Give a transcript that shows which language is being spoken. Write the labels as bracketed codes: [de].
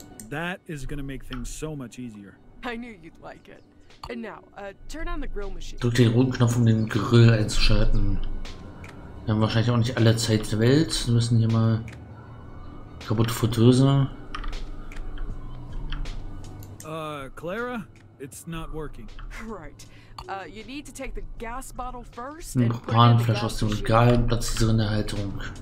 [en] That is gonna make things so much easier. I knew you'd like it. And now, turn on the grill machine. [de] Drück den roten Knopf, um den Grill einzuschalten. Wir haben wahrscheinlich auch nicht alle Zeit der Welt. Wir müssen hier mal kaputte Fritteuse. [en] Clara? It's not working. Right. You need to take the gas bottle first. [de] Ein Propanflasche aus dem Regal und platz sie in der Halterung.